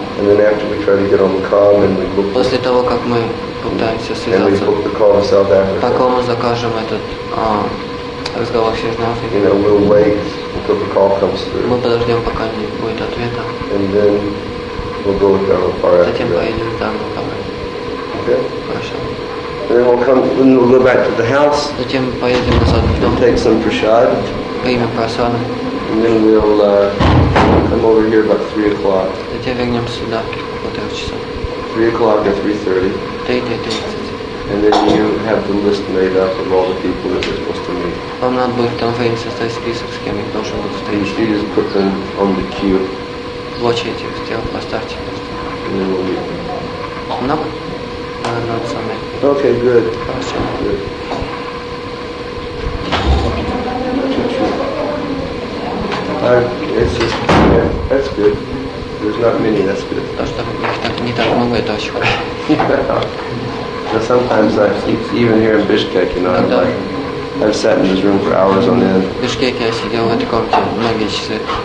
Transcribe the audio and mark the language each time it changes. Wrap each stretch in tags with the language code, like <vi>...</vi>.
<en>And then after we try to get on the call and we book.</en> <ru>После того как мы пытаемся связаться.</ru> <en>And we book the call in South Africa.</en> <ru>Пока мы закажем этот разговор в Северной Африке.</ru> <en>You know, we'll wait until the call comes through.</en> <ru>Мы подождем, пока не будет ответа.</ru> <en>And then we'll go with Dharmapara.</en> <ru>Затем поедем в Dharmapara.</ru> <en>Okay.</en> <ru>Хорошо.</ru> <en>And then we'll go back to the house.</en> <ru>Затем поедем назад в дом.</ru> <en>Take some prasad.</en> <ru>Примем прасад.</ru> <en>And then we'll come over here about 3 o'clock.</en> <ru>Затем вернемся сюда около 3 часов.</ru> <en>3 o'clock at 3:30.</en> <ru>3:30.</ru> <en>And then you have the list made up of all the people that you're supposed to meet.</en> <ru>Вам надо будет там выйти составить список, с кем я должен буду встретиться.</ru> <en>You just put them on the queue.</en> <ru>В очереди их сделал, поставьте.</ru> <en>And then we'll meet them. No? Not so many. Okay, good.</en> <ru>Хорошо.</ru> <en>Good. It's just, yeah, that's good. There's not many, that's good. Yeah. Sometimes even here in Bishkek, you know, I've sat in this room for hours on end.</en> <ru>Bishkek, я сидел в этой комнате многие часы.</ru>